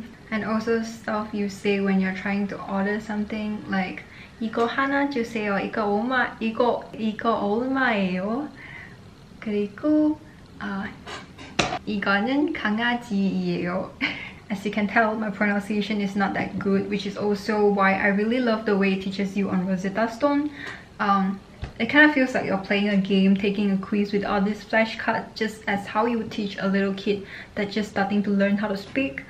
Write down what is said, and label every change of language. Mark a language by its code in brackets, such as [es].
[en] And also stuff you say when you're trying to order something like [ko] 이거 하나 주세요. 이거 얼마예요? 그리고 이거는 강아지예요. [en] As you can tell, my pronunciation is not that good, which is also why I really love the way it teaches you on Rosetta Stone. It kind of feels like you're playing a game, taking a quiz with all these flashcards, just as how you would teach a little kid that's just starting to learn how to speak.